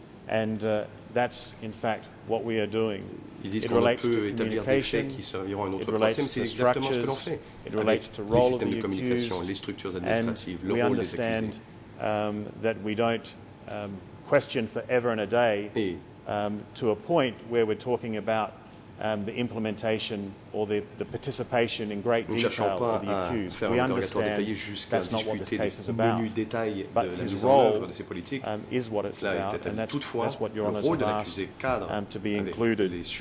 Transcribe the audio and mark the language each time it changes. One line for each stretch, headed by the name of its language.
English: And that's, in fact, what we are doing.
French: Ils disent qu'on peut établir des faits qui serviront à un autre procès, mais c'est exactement ce que l'on fait.
English: It relates to
French: les systèmes de communication, les structures administratives, le rôle des accusés.
English: That we don't question forever and a day to a point where we're talking about the implementation or the participation in great detail of the accused. We understand that's not what this case is about. But his role is what it's about, and that's what Your Honour has asked to be included.